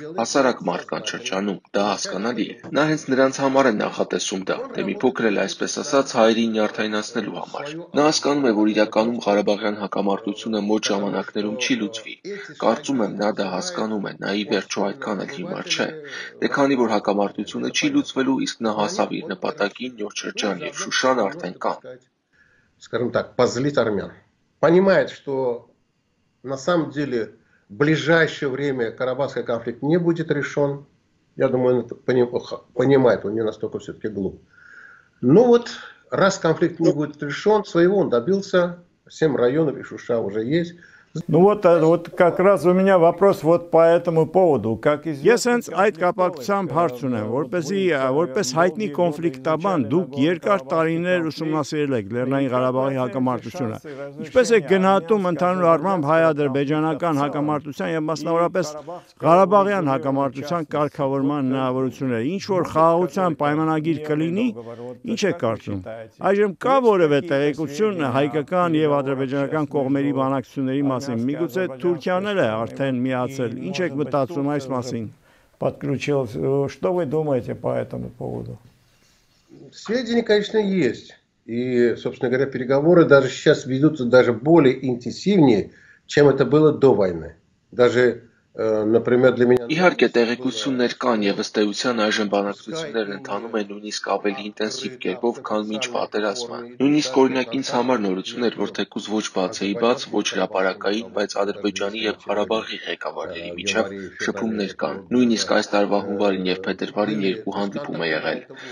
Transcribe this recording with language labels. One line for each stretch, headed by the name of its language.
Armenian: հասարակ մարդկանց շրջանում, դա հասկանալի է։ Նա հենց նրանց համար է նախատեսում դա, թե մի փոքր էլ, այսպես ասած, հայերին նյարդայնացնելու համար։ Նա հասկանում է, որ իրականում Ղարաբաղյան հակամարտությունը մոտ ժամանակներում չի լուծվի։ Կարծում եմ, նա դա հասկանում է, նա ի վերջո այդքան էլ հիմար չէ, դե քանի որ հակամարտությունը չի լուծվելու, իսկ նա հասավ իր նպատակին, նոր շրջան եւ Շուշան արդեն կան։
Russian: Скажем так, позлить армян. Понимает, что на самом деле в ближайшее время Карабахский конфликт не будет решен. Я думаю, он это понимает, он не настолько все-таки глуп. Ну вот, раз конфликт не будет решен, своего он добился, 7 районов и Шуша уже есть. Ну вот, вот как раз у меня вопрос вот по этому поводу. Как известно,
Armenian: ես հենց այդ կապակցությամբ հարցուն եմ, որպես հայտնի կոնֆլիկտաբան, դուք երկար տարիներ ուսումնասիրել եք Լեռնային Ղարաբաղի հակամարտությունը։ Ինչպես եք գնահատում ընդհանուր առմամբ հայ-ադրբեջանական հակամարտության եւ մասնավորապես Ղարաբաղյան հակամարտության կարգավորման հնարավորությունները, ինչ որ խաղաղության պայմանագիր կլինի, ինչ եք կարծում։ Այժմ կա որևէ տեղեկություն հայկական եւ ադրբեջանական կողմերի բանակցությունների մասին, միգուցե Թուրքիաները արդեն միացել, ինչ եք մտածում այս մասին։
Russian: Подключился. Что вы думаете по этому поводу? Сведения, конечно, есть. И, собственно говоря, переговоры даже сейчас ведутся даже более интенсивнее, чем это было до войны. Даже Например, для меня
Armenian: իհարկե տեղեկություններ կան եւ ըստ էության այժմ բանակցությունները ընդանում են նույնիսկ ավելի ինտենսիվ կերպով, քան մինչ պատերազմը։ Նույնիսկ օրինակ ինձ համար նորություններ, որ թեկուզ ոչ բացեի բաց, ոչ հրապարակային, բայց Ադրբեջանի եւ Ղարաբաղի ղեկավարների միջև շփումներ կան։ Նույնիսկ այս տարվա հունվարին եւ փետրվարին երկու հանդիպում է եղել։